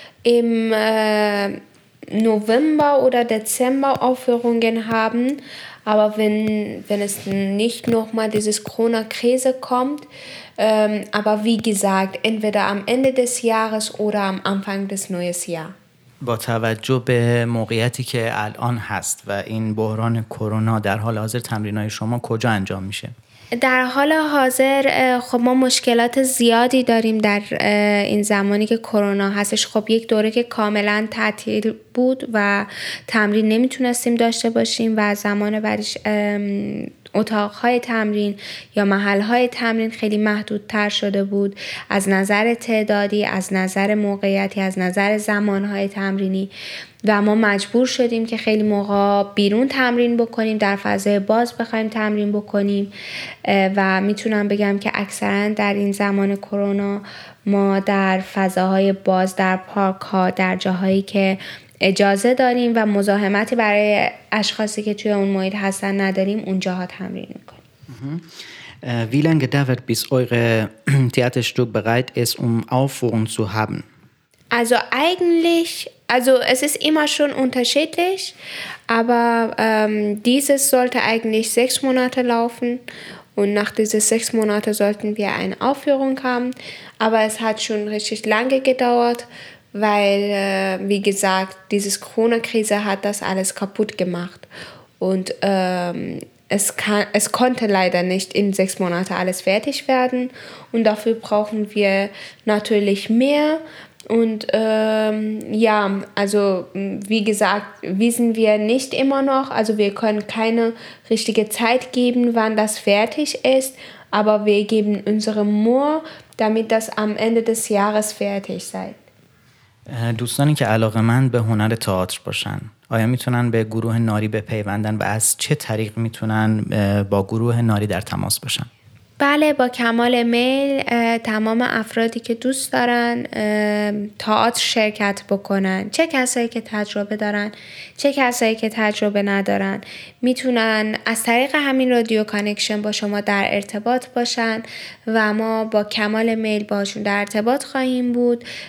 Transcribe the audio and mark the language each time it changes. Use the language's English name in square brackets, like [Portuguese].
[German] im November oder Dezember Aufführungen haben. Aber wenn es nicht nochmal dieses Corona-Krise kommt, aber wie gesagt, entweder am Ende des Jahres oder am Anfang des neuen Jahres. [Persian] با توجه به موقعیتی که الان هست و این بحران کرونا در حال حاضر تمرین‌های شما کجا انجام میشه؟ در حال حاضر خب ما مشکلات زیادی داریم در این زمانی که کرونا هستش. خب یک دوره که کاملا تعطیل بود و تمرین نمیتونستیم داشته باشیم و زمان برش اتاقهای تمرین یا محلهای تمرین خیلی محدودتر شده بود از نظر تعدادی، از نظر موقعیتی، از نظر زمانهای تمرینی و ما مجبور شدیم که خیلی موقع بیرون تمرین بکنیم، در فضای باز بخوایم تمرین بکنیم و میتونم بگم که اکثرا در این زمان کرونا ما در فضاهای باز، در پارک ها، در جاهایی که اجازه داریم و مزاحمتی برای اشخاصی که توی اون محیط هستن نداریم اونجاها تمرین میکنیم. [German] Wie lange dauert bis euer Theaterstück bereit ist um Aufführung zu haben? Also eigentlich, also es ist immer schon unterschiedlich, aber dieses sollte eigentlich 6 Monate laufen und nach diesen 6 Monaten sollten wir eine Aufführung haben, aber es hat schon richtig lange gedauert. Weil, wie gesagt, dieses Corona-Krise hat das alles kaputt gemacht. Und es konnte leider nicht in 6 Monaten alles fertig werden. Und dafür brauchen wir natürlich mehr. Und ja, also wie gesagt, wissen wir nicht immer noch. Also wir können keine richtige Zeit geben, wann das fertig ist. Aber wir geben unsere Mühe, damit das am Ende des Jahres fertig sei. [Persian] دوستانی که علاقه‌مند به هنر تئاتر باشن آیا میتونن به گروه ناری بپیوندن و از چه طریق میتونن با گروه ناری در تماس باشن؟ بله با کمال میل تمام افرادی که دوست دارن تئاتر شرکت بکنن چه کسایی که تجربه دارن چه کسایی که تجربه ندارن میتونن از طریق همین رادیو کانکشن با شما در ارتباط باشن و ما با کمال میل باشون در ارتباط خواهیم بود